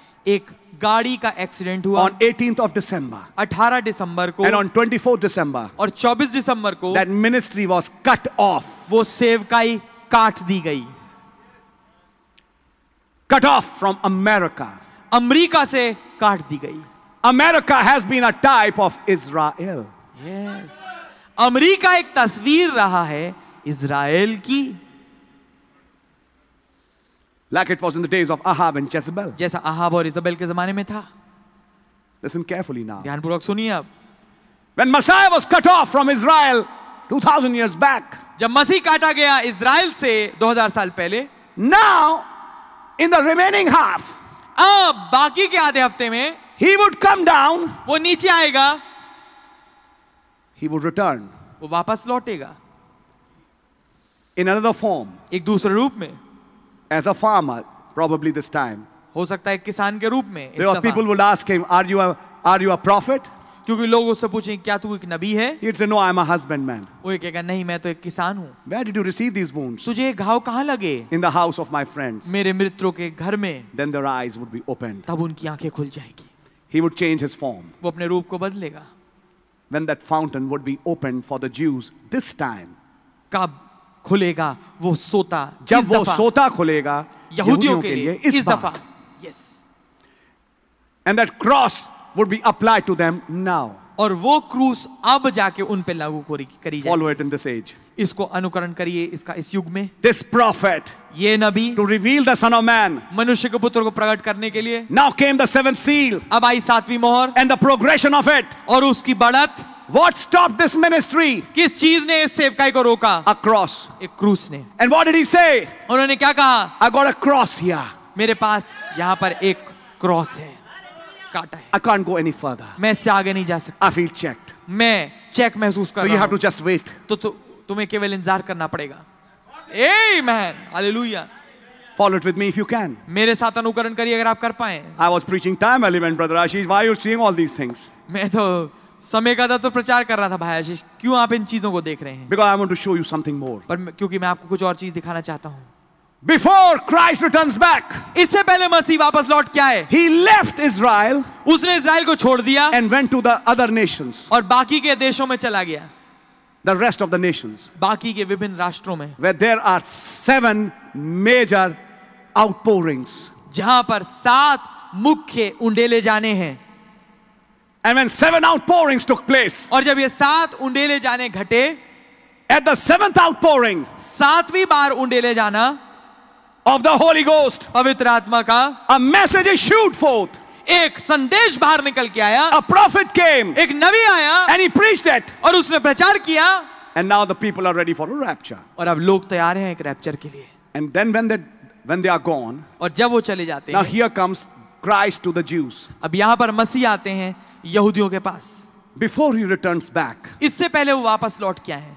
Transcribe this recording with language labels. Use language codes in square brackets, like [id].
[hi] एक गाड़ी का एक्सीडेंट हुआ. [en] On 18th of December. [hi] 18 दिसंबर को. [en] And on 24th December. [hi] और 24 दिसंबर को. [en] That ministry was cut off. [hi] वो सेवकाई काट दी गई. [en] Cut off from America. [hi] America से काट दी गई. [en] America has been a type of Israel. Yes. [hi] America एक तस्वीर रहा है इज़राइल की. [en] Like it was in the days of Ahab and Jezebel. [hi] जैसा अहाब और इज़ाबेल के ज़माने में था. [en] Listen carefully now. [hi] ध्यानपूर्वक सुनिए अब. [en] When Messiah was cut off from Israel 2000 years back. [hi] जब मसीह काटा गया इज़राइल से 2000 साल पहले. [en] Now, in the remaining half. [hi] अब बाकी के आधे हफ्ते में. [en] He would come down. [hi] वो नीचे आएगा. [en] He would return. [hi] वो वापस लौटेगा. [en] In another form. [hi] एक दूसरे रूप में. [en] As a farmer, probably this time. [hi] हो सकता है किसान के रूप में. [en] Because people would ask him, "Are you a prophet?" [hi] क्योंकि लोग उससे पूछेंगे, क्या तू एक नबी है? [en] He'd say, "No, I'm a husbandman." [hi] वो ये कहेगा, नहीं, मैं तो एक किसान हूँ. [en] Where did you receive these wounds? [hi] तुझे ये घाव कहाँ लगे? [en] In the house of my friends. [hi] मेरे मित्रों के घर में. [en] Then their eyes would be opened. [hi] तब उनकी आँखें खुल जाएगी. [en] He would change his form. [hi] वो अपने रूप को बदलेगा. [en] When that fountain would be opened for the Jews this time. [hi] कब? खुलेगा वो सोता जब वो सोता खुलेगा यहूदियों के लिए इस दफा yes [en] and that cross would be applied to them now [hi] और वो क्रूस अब जाके उन पे लागू करी जाएगी [en] follow it in this age [hi] इसको अनुकरण करिए इसका इस युग में [en] this profit [hi] ये नबी [en] to reveal the son of man [hi] मनुष्य के पुत्र को प्रकट करने के लिए [en] now came the seventh seal [hi] अब आई सातवीं मोहर [en] and the progression of it [hi] और उसकी बढ़त [en] What stopped this ministry? [hi] किस चीज ने इस सेवकाई को रोका? [en] A cross. [hi] एक क्रूस ने. [en] And what did he say? [hi] उन्होंने क्या कहा? [en] I got a cross here. [hi] मेरे पास यहाँ पर एक क्रॉस है. काटा है. [en] I can't go any further. [hi] मैं इससे आगे नहीं जा सकता. [en] I feel checked. [hi] मैं चेक महसूस कर रहा हूँ. [en] So you have to just wait. [hi] तो तुम्हें केवल इंतजार करना पड़ेगा. [en] Amen. Hallelujah. Follow it with me if you can. [hi] मेरे साथ अनुकरण करिए अगर आप कर पाए. [en] I was preaching time element, brother Ashish. Why are you seeing all these things? [hi] मैं तो समय का था तो प्रचार कर रहा था भाई आशीष क्यों आप इन चीजों को देख रहे हैं [en] Because I want to show you something more. [hi] पर क्योंकि मैं आपको कुछ और चीज दिखाना चाहता हूं [en] Before Christ returns back, [hi] इससे पहले मसीह वापस लौट के आए, [en] He left Israel, [hi] उसने इज़राइल को छोड़ दिया, [en] and went to the other nations, [hi] और बाकी के देशों में चला गया, [en] the rest of the nations, [hi] बाकी के विभिन्न राष्ट्रों में, [en] where there are 7 major outpourings, [hi] जहाँ पर 7 मुख्य उंडेले जाने हैं, [en] and when 7 outpourings took place, [hi] और जब ये 7 उंडेले जाने घटे, [en] at the 7th outpouring, [hi] 7वीं बार उंडेले जाना [en] of the Holy Ghost, [hi] पवित्र आत्मा का, [en] a message issued forth, [hi] एक संदेश बाहर निकल के आया, [en] a prophet came, [hi] एक नबी आया, [en] and he preached it, [hi] और उसने प्रचार किया, [en] and now the people are ready for a rapture, [hi] और अब लोग तैयार हैं एक रैप्चर के लिए, [en] and then when they are gone, [hi] और जब वो चले जाते हैं, [en] now here comes Christ to the Jews, [hi] अब यहाँ पर मसीह आते हैं यहूदियों के पास, [en] before he returns back, [hi] इससे पहले वो वापस लौट के आए,